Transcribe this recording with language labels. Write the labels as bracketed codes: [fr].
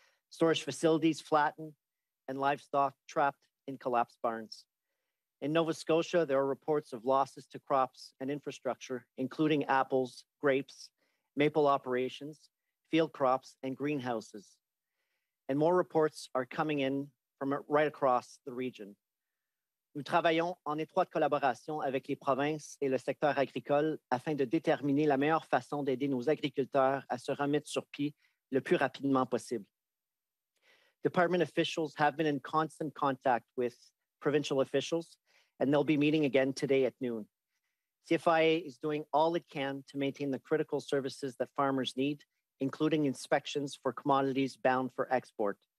[en] Storage facilities flattened and livestock trapped in collapsed barns. In Nova Scotia, there are reports of losses to crops and infrastructure, including apples, grapes, maple operations, field crops, and greenhouses. And more reports are coming in from right across the region. [fr] Nous travaillons en étroite collaboration avec les provinces et le secteur agricole afin de déterminer la meilleure façon d'aider nos agriculteurs à se remettre sur pied le plus rapidement possible. [en] Department officials have been in constant contact with provincial officials, and they'll be meeting again today at noon. CFIA is doing all it can to maintain the critical services that farmers need, including inspections for commodities bound for export.